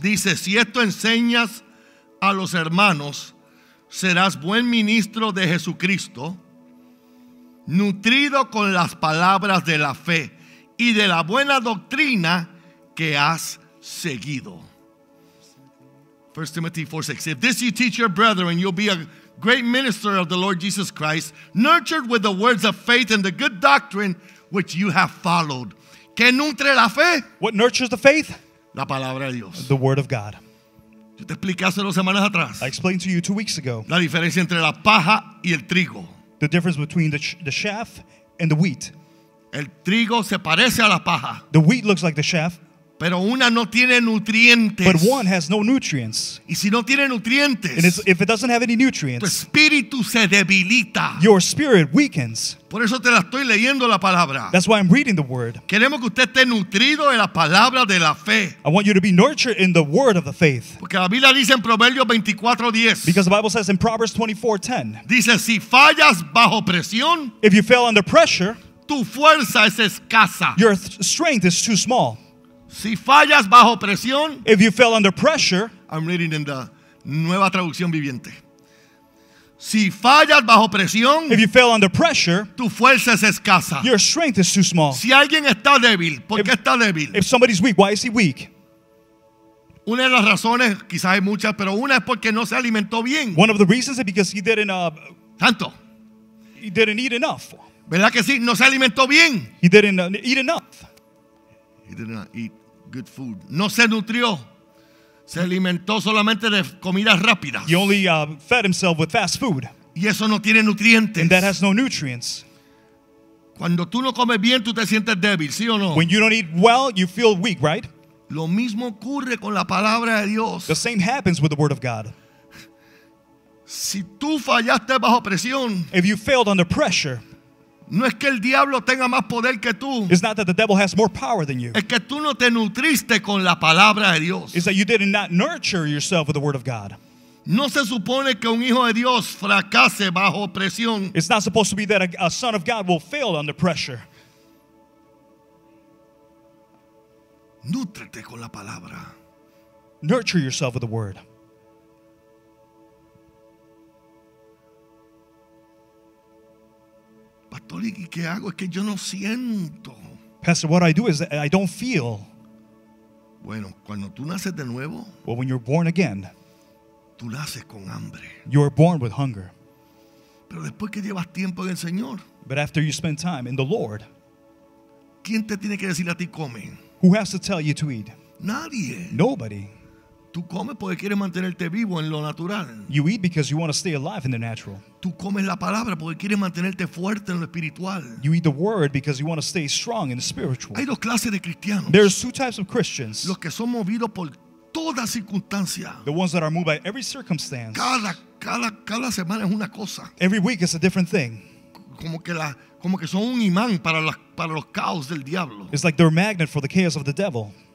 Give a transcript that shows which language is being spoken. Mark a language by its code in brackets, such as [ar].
[es] Dice, si esto enseñas a los hermanos, serás buen ministro de Jesucristo, nutrido con las palabras de la fe y de la buena doctrina que has seguido. [en] 1 Timothy 4:6. If this you teach your brethren, you'll be a great minister of the Lord Jesus Christ, nurtured with the words of faith and the good doctrine which you have followed. [es] ¿Qué nutre la fe? [en] What nurtures the faith? [es] La palabra de Dios. [en] The word of God. [es] Yo te expliqué hace 2 semanas atrás. [en] I explained to you 2 weeks ago. [es] La diferencia entre la paja y el trigo. [en] The difference between the chaff and the wheat. [es] El trigo se parece a la paja. [en] The wheat looks like the chaff. [es] Pero una no tiene nutrientes. [en] But one has no nutrients. [es] Y si no tiene nutrientes, [en] and if it doesn't have any nutrients, [es] tu espíritu se debilita. [en] Your spirit weakens. [es] Por eso te la estoy leyendo la palabra. [en] That's why I'm reading the word. [es] Queremos que usted esté nutrido en la palabra de la fe. [en] I want you to be nurtured in the word of the faith. [es] Porque la Biblia dice en Proverbios 24:10. [en] Because the Bible says in Proverbs 24:10. [es] Dice, si fallas bajo presión, [en] if you fail under pressure, [es] tu fuerza es escasa. [en] Your strength is too small. [es] Si fallas bajo presión, [en] if you fail under pressure, I'm reading in the Nueva Traducción Viviente. [es] Si fallas bajo presión, [en] if you fail under pressure, [es] tu fuerza es escasa. [en] Your strength is too small. [es] Si alguien está débil, ¿por qué está débil? [en] If somebody's weak, why is he weak? [es] Una de las razones, quizás hay muchas, pero una es porque no se alimentó bien. [en] One of the reasons is because he didn't [es] tanto. [en] He didn't eat enough. [es] ¿Verdad que sí? No se alimentó bien. [en] He didn't eat enough. He did not eat good food. [es] No se nutrió. Se alimentó solamente de comidas rápidas. [en] He only fed himself with fast food. [es] Y eso no tiene nutrientes. [en] And that has no nutrients. [es] Cuando tú no comes bien, tú te sientes débil, ¿sí o no? [en] When you don't eat well, you feel weak, right? [es] Lo mismo ocurre con la palabra de Dios. [en] The same happens with the word of God. [es] Si tú fallaste bajo presión, [en] if you failed under pressure, [es] no es que el diablo tenga más poder que tú. [en] It's not that the devil has more power than you. [es] Es que tú no te nutriste con la palabra de Dios. [en] It's that you did not nurture yourself with the word of God. [es] No se supone que un hijo de Dios fracase bajo presión. [en] It's not supposed to be that a son of God will fail under pressure. [es] Nútrete con la palabra. [en] Nurture yourself with the word. [es] Pastor, ¿y qué hago? Es que yo no siento. [en] Pastor, what I do is that I don't feel. [es] Bueno, cuando tú naces de nuevo. [en] Well, when you're born again. [es] Tú naces con hambre. [en] You are born with hunger. [es] Pero después que llevas tiempo en el Señor. [en] But after you spend time in the Lord. [es] ¿Quién te tiene que decir a ti come? [en] Who has to tell you to eat? [es] Nadie. [en] Nobody. [es] Tú comes porque quieres mantenerte vivo en lo natural. [en] You eat because you want to stay alive in the natural. [es] Tú comes la palabra porque quieres mantenerte fuerte en lo espiritual. [en] You eat the word because you want to stay strong in the spiritual. [es] Hay dos clases de cristianos. [en] There's two types of Christians. [es] Los que son movidos por toda circunstancia. [en] The ones that are moved by every circumstance. [es] Cada semana es una cosa. [en] Every week is a different thing. [es] Como que son un imán para los caos del diablo. [en] It's like they're a magnet for the chaos of the devil.